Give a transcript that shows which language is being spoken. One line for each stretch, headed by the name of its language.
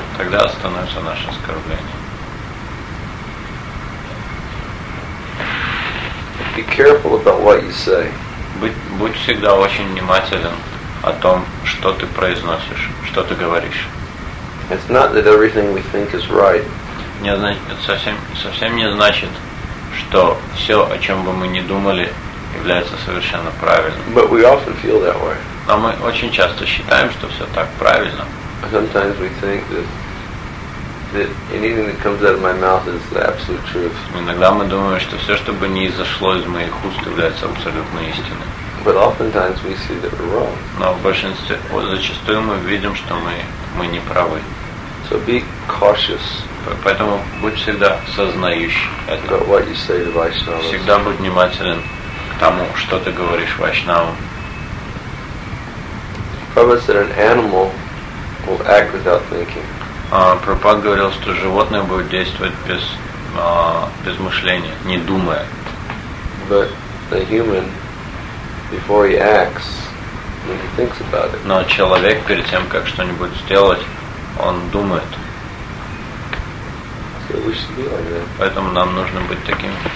Russian: Тогда остановится наше оскорбление.
English: Be careful about what you say.
Russian: Будь всегда очень внимателен о том, что ты произносишь, что ты говоришь.
English: It's not that everything we think is right.
Russian: Это совсем не значит, что все, о чем бы мы ни думали, является совершенно правильным.
English: But we often feel that way.
Russian: Но мы очень часто считаем, что все так правильно.
English: Sometimes we think that anything that comes out of my mouth is the absolute truth.
Russian: Иногда мы думаем, что все, что бы ни изошло из моих уст, является абсолютной истиной.
English: But oftentimes we see that we're wrong.
Russian: Но в большинстве, зачастую мы видим, что мы не правы.
English: So be cautious.
Russian: Поэтому будь всегда сознающий это.
English: About what you say to Vaishnavas.
Russian: Всегда будь внимателен к тому, что ты говоришь Вайшнавам.
English: Prabhupada said an animal will act without thinking.
Russian: Прабхупада говорил, что животное будет действовать без мышления, не думая.
English: But the human, before he acts, when he thinks about it.
Russian: Но человек перед тем, как что-нибудь сделать, он думает.
English: So we should be like that.
Russian: Поэтому нам нужно быть таким.